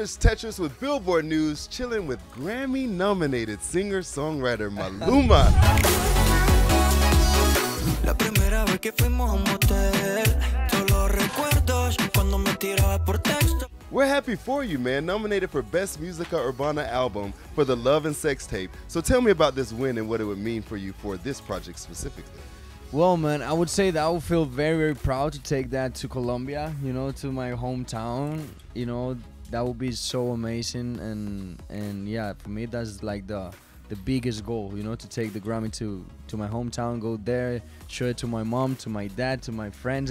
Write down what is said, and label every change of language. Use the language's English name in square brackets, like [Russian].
[English] It's Tetris with Billboard News, chilling with Grammy-nominated singer-songwriter Maluma. [Spanish] La primera vez que fuimos a un motel, todos los recuerdos cuando me tiraba por texto. [English] We're happy for you, man. Nominated for Best Musica Urbana Album for the Love and Sex Tape. So tell me about this win and what it would mean for you for this project specifically. Well, man, I would say that I would feel very, very proud to take that to Colombia, you know, to my hometown. You know, that would be so amazing. And yeah, for me, that's like the biggest goal, you know, to take the Grammy to my hometown, go there, show it to my mom, to my dad, to my friends.